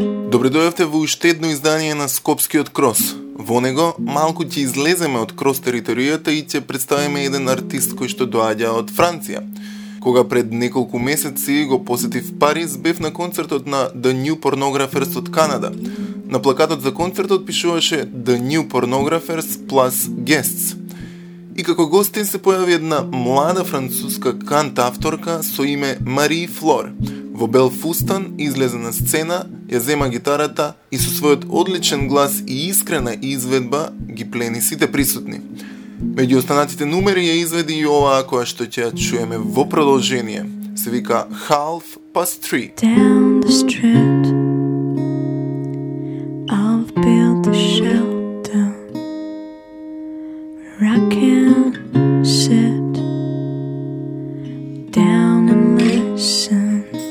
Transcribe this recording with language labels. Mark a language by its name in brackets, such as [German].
[Macedonian] Добре дојавте во уште едно издание на Скопскиот Крос. Во него, малку ќе излеземе од крос територијата и ќе представиме еден артист кој што доаѓа од Франција. Кога пред неколку месеци го посетив Париз, бев на концертот на The New Pornographers од Канада. На плакатот за концертот пишуваше The New Pornographers plus Guests. И како гостин се појави една млада француска кантавторка со име Мари Флор. Во бел фустан излезе на сцена, ја зема гитарата и со својот одличен глас и искрена изведба ги плени сите присутни. Меѓу останатите номери ја изведи и оваа која што ќе ја чуеме во продолжение. Се вика [English] Half Past Three. Down the street, I've built a shelter. I can sit down and listen.